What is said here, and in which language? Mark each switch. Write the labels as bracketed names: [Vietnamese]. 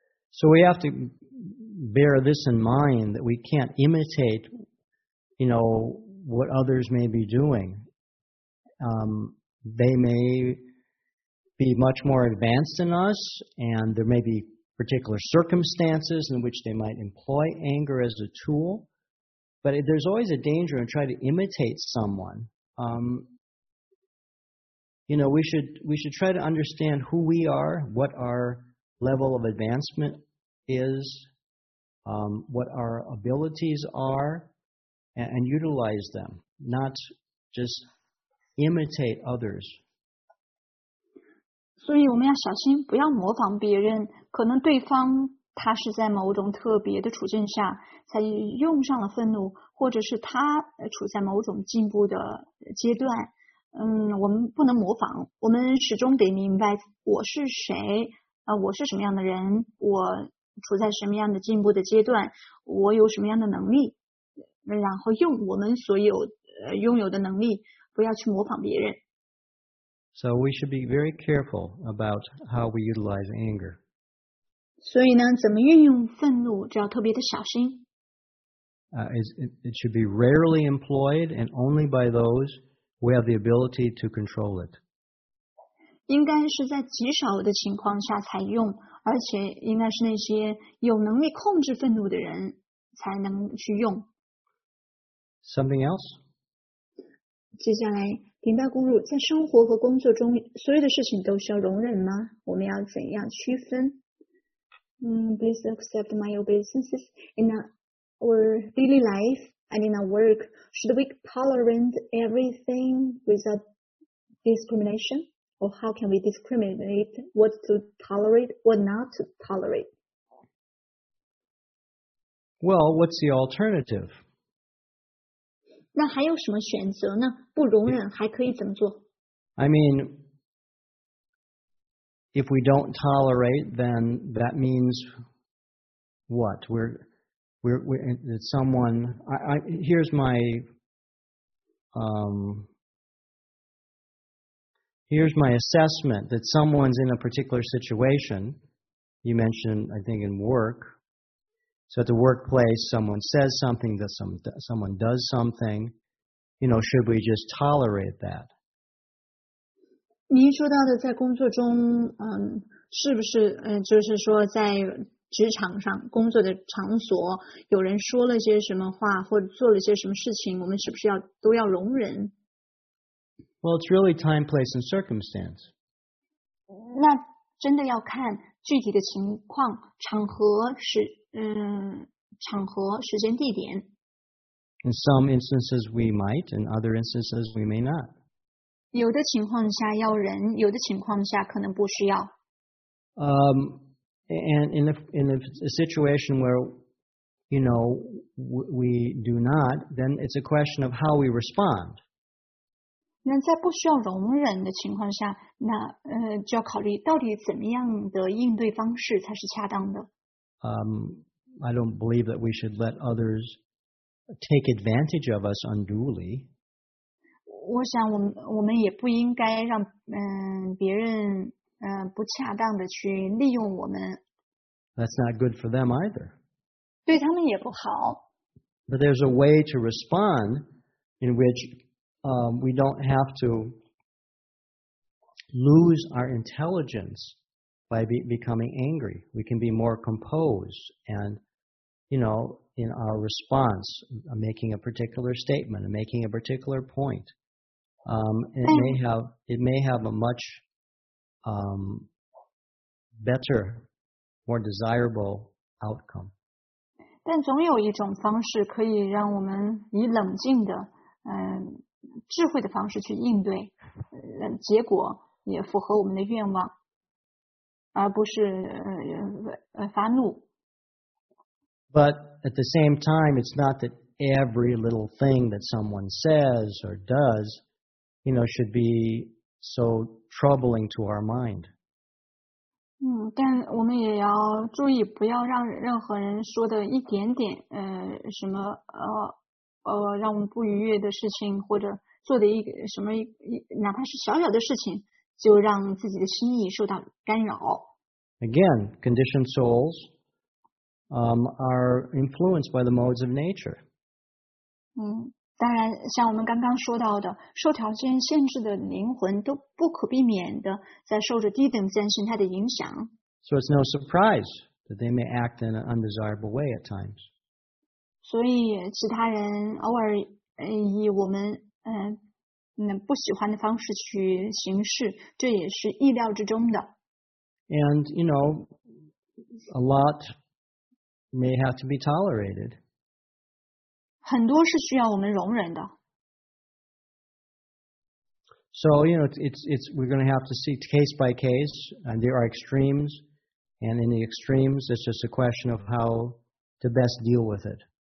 [English] So we have to bear this in mind that we can't imitate. You know, what others may be doing, they may be much more advanced than us, and there may be particular circumstances in which they might employ anger as a tool, but there's always a danger in trying to imitate someone. You know, we should try to understand who we are, what our level of advancement is, what our abilities are,and utilize them, not just imitate others. [Chinese] 所以我们要小心，不要模仿别人。可能对方他是在某种特别的处境下才用上了愤怒，或者是他处在某种进步的阶段。我们不能模仿，我们始终得明白我是谁，我是什么样的人，我处在什么样的进步的阶段，我有什么样的能力。然后用我们所有拥有的能力，不要去模仿别人。 [English] So we should be very careful about how we utilize anger. [Chinese] 所以呢，怎么运用愤怒，就要特别的小心。 [English] It should be rarely employed and only by those who have the ability to control it. [Chinese] 应该是在极少的情况下才用，而且应该是那些有能力控制愤怒的人才能去用。 [English] Something else? [Chinese] 接下来，林大公路，在生活和工作中，所有的事情都需要容忍吗？我们要怎样区分？ [English] Please accept my obeisances in our daily life and in our work. Should we tolerate everything without discrimination? Or how can we discriminate what to tolerate, what not to tolerate? Well, what's the alternative? [Chinese] 那还有什么选择呢？不容忍还可以怎么做？ [English] I mean, if we don't tolerate, then that means what? Here's my assessment that someone's in a particular situation. You mentioned, I think, in work. So at the workplace, someone says something, that someone does something, you know, should we just tolerate that? [Chinese] 您说到的在工作中，是不是，就是说在职场上，工作的场所，有人说了些什么话，或者做了些什么事情，我们是不是都要容忍？ [English] Well, it's really time, place, and circumstance. [Chinese] 那真的要看具体的情况，场合是场合、时间、地点。 [English] In some instances we might, in other instances we may not. [Chinese] 有的情况下要忍，有的情况下可能不需要。 [English] And in a situation where, you know, we do not, then it's a question of how we respond. [Chinese] 那在不需要容忍的情况下，那就要考虑到底怎么样的应对方式才是恰当的。 [English] I don't believe that we should let others take advantage of us unduly. [Chinese] 我想我们也不应该让别人不恰当的去利用我们。 [English] That's not good for them either. [Chinese] 对他们也不好。 [English] But there's a way to respond in which we don't have to lose our intelligence by becoming angry. We can be more composed and, you know, in our response, making a particular statement, making a particular point. It may have a much better, more desirable outcome. [Chinese] 但总有一种方式可以让我们以冷静的、智慧的方式去应对、结果也符合我们的愿望而不是、发怒。 [English] But at the same time, it's not that every little thing that someone says or does, you know, should be so troubling to our mind. [Chinese] 嗯，但我们也要注意，不要让任何人说的一点点，什么，让我们不愉悦的事情，或者做的一个什么一，哪怕是小小的事情，就让自己的心意受到干扰。 [English] Again, conditioned souls. Are influenced by the modes of nature. [Chinese] 当然像我们刚刚说到的受条件限制的灵魂都不可避免的在受着低等自然形态的影响。 [English] So it's no surprise that they may act in an undesirable way at times. [Chinese] 所以其他人偶尔以我们不喜欢的方式去行事这也是意料之中的。 [English] And, you know, a lot... may have to be tolerated. [Chinese] 很多是需要我们容忍的。 [English] So, you know, we're going to have to see case by case, and there are extremes, and in the extremes, it's just a question of how to best deal with it.